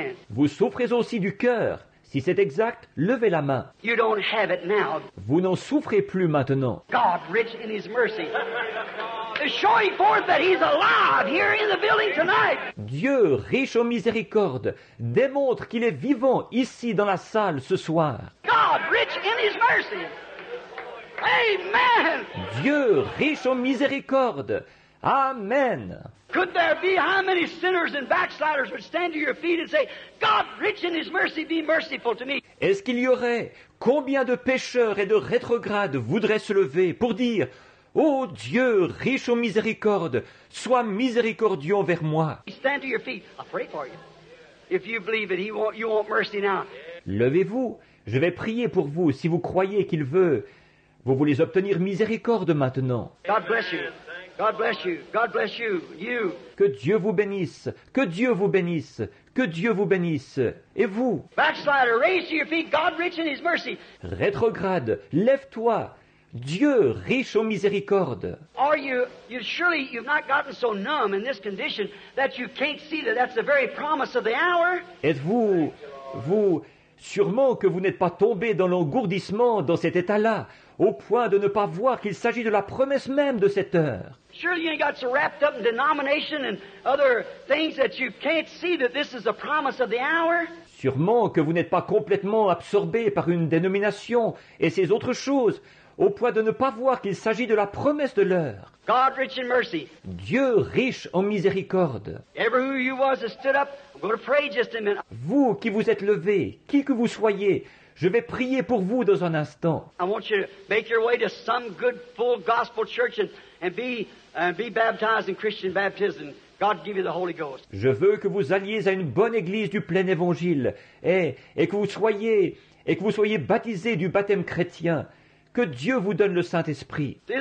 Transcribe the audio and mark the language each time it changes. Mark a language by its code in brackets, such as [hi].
[fr] Vous souffrez aussi du cœur. Si c'est exact, levez la main. [en] You don't have it now. [fr] Vous n'en souffrez plus maintenant. [en] God, rich in his mercy. Showing forth that he's alive here in the building tonight. [fr] Dieu, riche en miséricorde, démontre qu'il est vivant ici dans la salle ce soir. [en] God, rich in his mercy. Amen. [fr] Dieu, riche en miséricorde. Amen. [en] Could there be how many sinners and backsliders would stand to your feet and say, God, rich in his mercy, be merciful to me. [fr] Est-ce qu'il y aurait combien de pécheurs et de rétrogrades voudraient se lever pour dire, ô Dieu, riche en miséricorde, sois miséricordieux envers moi. [en] Stand to your feet. I'll pray for you. If you believe it, you want mercy now. [fr] Levez-vous. Je vais prier pour vous si vous croyez qu'il veut Vous voulez obtenir miséricorde maintenant. [en] God bless you. God bless you. God bless you. You. [fr] Que Dieu vous bénisse. Que Dieu vous bénisse. Que Dieu vous bénisse. Et vous? [en] Backslider, raise to your feet. God rich in His mercy. [fr] Rétrograde, lève-toi. Dieu riche en miséricorde. [en] Are you? You surely you've not gotten so numb in this condition that you can't see that that's the very promise of the hour? [fr] Êtes-vous, vous? Sûrement que vous n'êtes pas tombé dans l'engourdissement dans cet état-là, au point de ne pas voir qu'il s'agit de la promesse même de cette heure. [en] Surely you got so wrapped up in denomination and other things that you can't see that this is the promise of the hour. [fr] Sûrement que vous n'êtes pas complètement absorbé par une dénomination et ces autres choses, au point de ne pas voir qu'il s'agit de la promesse de l'heure. [en] God rich in mercy. [fr] Dieu riche en miséricorde. [en] Ever who you was that stood up, I'm going to pray just a minute. [fr] Vous qui vous êtes levé, qui que vous soyez, je vais prier pour vous dans un instant. [en] I want you to make your way to some good full gospel church and be baptized in Christian baptism. God give you the Holy Ghost. [fr] Je veux que vous alliez à une bonne église du plein évangile et que vous soyez baptisé du baptême chrétien. Que Dieu vous donne le Saint-Esprit.